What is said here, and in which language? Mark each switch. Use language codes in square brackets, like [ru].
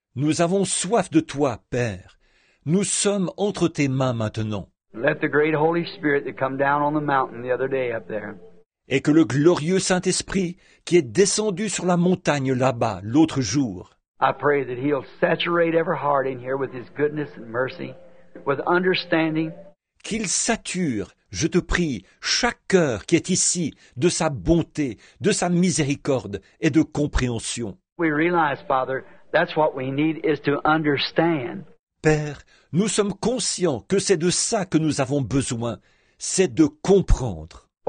[fr] Nous avons soif de toi, Père. Nous sommes entre tes mains maintenant. [en] Let the great Holy Spirit that come down on the mountain the other day up there. [fr] Et que le glorieux Saint-Esprit qui est descendu sur la montagne là-bas l'autre jour. [en] I pray that he'll saturate every heart in here with his goodness and mercy, with understanding. [fr] Qu'il sature, je te prie, chaque cœur qui est ici de sa bonté, de sa miséricorde et de compréhension. [en] We realize, Father, that's what we need is to understand. [fr] Père, nous sommes conscients que c'est de ça que nous avons besoin, c'est de comprendre.